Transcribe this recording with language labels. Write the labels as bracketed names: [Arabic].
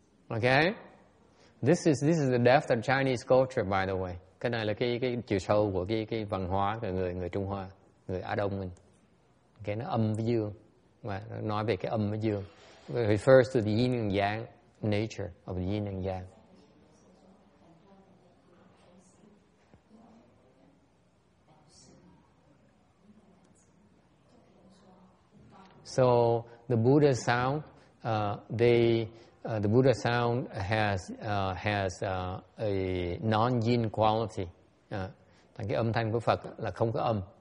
[English] Okay, this is the depth of Chinese culture, by the way. [Vietnamese] Cái này là cái chiều sâu của cái văn hóa của người Trung Hoa, người Á Đông mình. Okay, nó âm với dương, mà nó nói về cái âm với dương. [English] It refers to the yin and yang nature of the yin and yang. So the Buddha sound, the Buddha sound has a non-yin quality. [Vietnamese] Thành cái âm thanh của Phật là không có âm.